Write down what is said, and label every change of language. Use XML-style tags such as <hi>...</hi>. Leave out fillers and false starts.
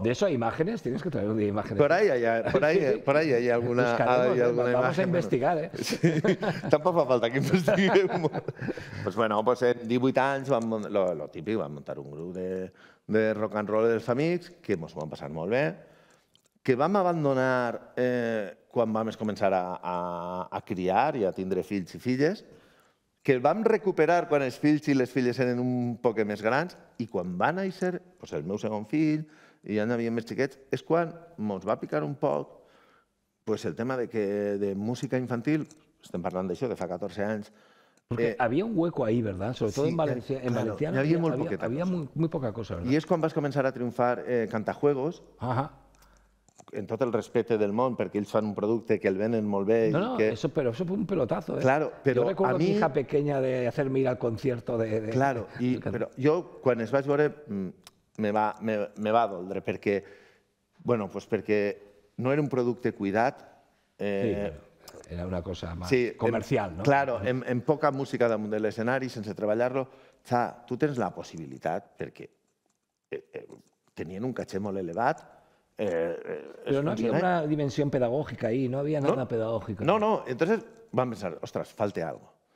<es>De eso hay imágenes, tienes que traer un día imágenes. Por ahí hay alguna, hay alguna vamos imagen. Vamos a investigar, bueno. Tampoco hace falta que investiguemos.</es> <ca>Pues bueno, pues en 18 años, lo típico, vam montar un grupo de rock and roll dels amics, que ens vam passar molt bé, que vam abandonar quan vam començar a criar i a tindre fills i filles, que el vam recuperar quan els fills i les filles eren un poc més grans, i quan va néixer doncs el meu segon fill i ja n'havien més xiquets, és quan ens va picar un poc doncs el tema de, que, de música infantil, estem parlant d'això, de fa 14 anys. Perquè havia un hueco ahí, ¿verdad? Sobretot sí, en valencià.</ca> <es>Claro,</es> <ca>valencià hi havia molt poqueta. Havia molt poca cosa, ¿verdad? I és quan vas començar a triomfar Cantajuegos, en tot el respecte del món, perquè ells fan un producte que el venen molt bé.</ca> <es>No, no, que... eso, pero eso fue un pelotazo. Claro, pero yo recuerdo a mi hija pequeña de hacerme ir al concierto de... Claro, y, pero yo</es> <ca>quan es vaig veure me va a doldre, perquè, bueno, pues perquè no era un producte cuidat.</ca> <es>Sí, era una cosa más sí, comercial, en, ¿no?</es> <ca>Claro, en poca música damunt de l'escenari, sense treballar-lo, tu tens la possibilitat, perquè tenien un caché molt elevat. Però no hi havia una dimensió pedagògica ahí, no hi havia nada pedagògic. No, no, entonces vam pensar, ostres,</ca> <es>falta algo.</es>